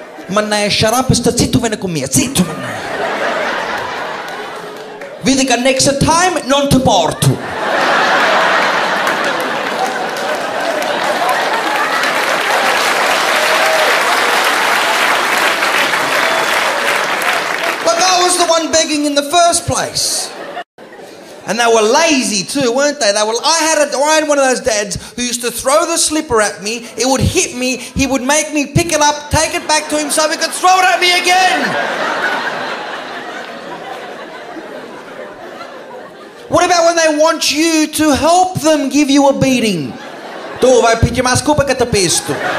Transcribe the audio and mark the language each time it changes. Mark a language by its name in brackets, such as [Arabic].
[Italian] Mannaia, [English] shut up, [Italian] sta zitto, vieni con me, zitto, mannaia. Vedi che [English] next time [Italian] non ti porto. [English] But I was the one begging in the first place. And they were lazy too, weren't they? I had one of those dads who used to throw the slipper at me, it would hit me, he would make me pick it up, take it back to him so he could throw it at me again. What about when they want you to help them give you a beating? [Italian] Tu vai pigliare una scopa che ti pesto.